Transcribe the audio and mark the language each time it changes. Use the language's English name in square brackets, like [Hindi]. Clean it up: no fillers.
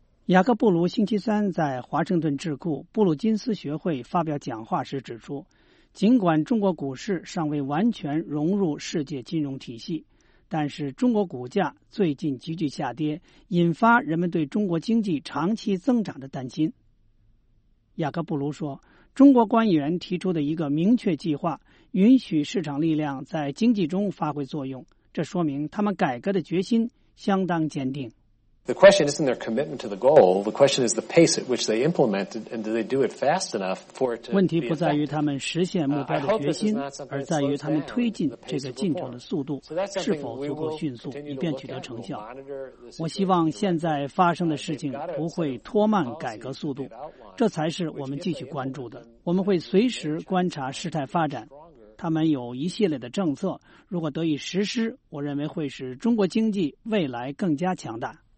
[Chinese] 雅各布鲁星期三在华盛顿智库布鲁金斯学会发表讲话时指出，尽管中国股市尚未完全融入世界金融体系，但是中国股价最近急剧下跌，引发人们对中国经济长期增长的担心。雅各布鲁说，中国官员提出的一个明确计划，允许市场力量在经济中发挥作用，这说明他们改革的决心相当坚定。 [English] The question isn't their commitment to the goal. The question is the pace at which they implement it, and do they do it fast enough for it to be? [Chinese] 问题不在于他们实现目标的决心，而在于他们推进这个进程的速度是否足够迅速，以便取得成效。我希望现在发生的事情不会拖慢改革速度，这才是我们继续关注的。我们会随时观察事态发展。他们有一系列的政策，如果得以实施，我认为会使中国经济未来更加强大。